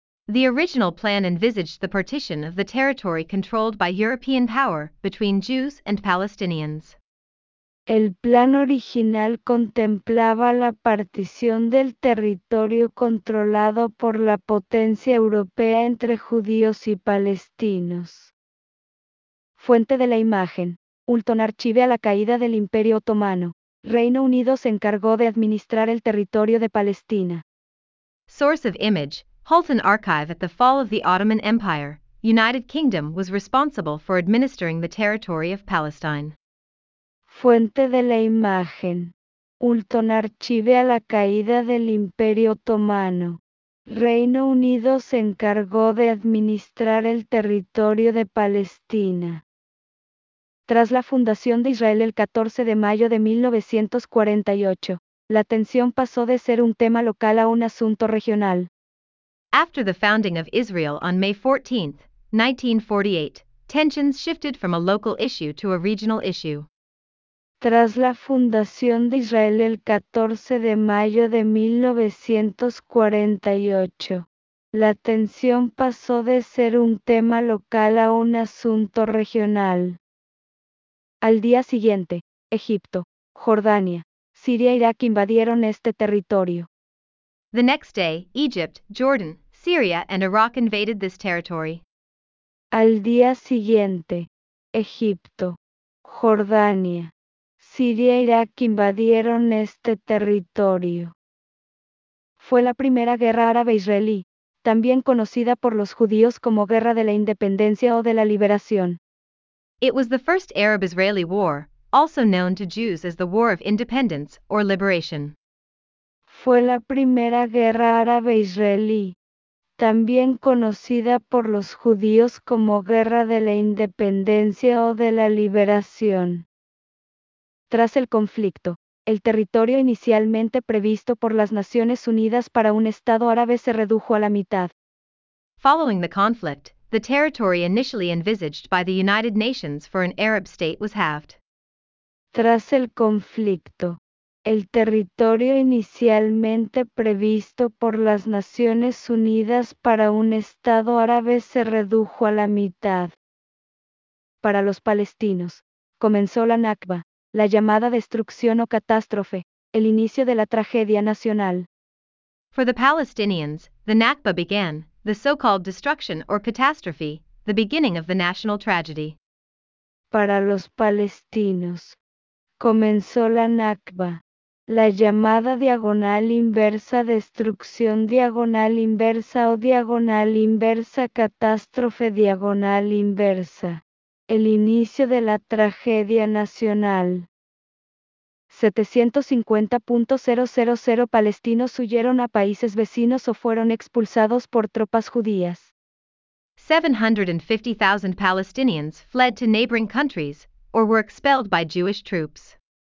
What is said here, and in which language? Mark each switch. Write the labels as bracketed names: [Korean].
[English] The original plan envisaged the partition of the territory controlled by European power between Jews and Palestinians. [Spanish] El plan original contemplaba la partición del territorio controlado por la potencia europea entre judíos y palestinos. Fuente de la imagen. Ulton Archive. A la caída del Imperio Otomano, Reino Unido se encargó de administrar el territorio de Palestina. [English] Source of image, Ulton Archive. At the fall of the Ottoman Empire, United Kingdom was responsible for administering the territory of Palestine. [Spanish] Fuente de la imagen. Ulton Archive. A la caída del Imperio Otomano, Reino Unido se encargó de administrar el territorio de Palestina. Tras la fundación de Israel el 14 de mayo de 1948, la tensión pasó de ser un tema local a un asunto regional. [English] After the founding of Israel on May 14, 1948, tensions shifted from a local issue to a regional issue. [Spanish] Tras la fundación de Israel el 14 de mayo de 1948, la tensión pasó de ser un tema local a un asunto regional. Al día siguiente, Egipto, Jordania, Siria e Irak invadieron este territorio. [English] The next day, Egypt, Jordan, Syria and Iraq invaded this territory. [Spanish] Al día siguiente, Egipto, Jordania, Siria e Irak invadieron este territorio. Fue la primera guerra árabe-israelí, también conocida por los judíos como Guerra de la Independencia o de la Liberación. [English] It was the first Arab-Israeli war, also known to Jews as the War of Independence or Liberation. [Spanish] Fue la primera guerra árabe-israelí, también conocida por los judíos como Guerra de la Independencia o de la Liberación. Tras el conflicto, el territorio inicialmente previsto por las Naciones Unidas para un Estado árabe se redujo a la mitad. [English] Following the conflict, the territory initially envisaged by the United Nations for an Arab state was halved. [Spanish] Tras el conflicto, el territorio inicialmente previsto por las Naciones Unidas para un Estado árabe se redujo a la mitad. Para los palestinos, comenzó la Nakba, la llamada destrucción o catástrofe, el inicio de la tragedia nacional. [English] For the Palestinians, the Nakba began, the so-called destruction or catastrophe, the beginning of the national tragedy. [Spanish] Para los palestinos, comenzó la Nakba, la llamada diagonal inversa destrucción diagonal inversa o diagonal inversa catástrofe diagonal inversa, el inicio de la tragedia nacional. 750.000 palestinos huyeron a países vecinos o fueron expulsados por tropas judías. [English] 750,000 Palestinians fled to neighboring countries or were expelled by Jewish troops.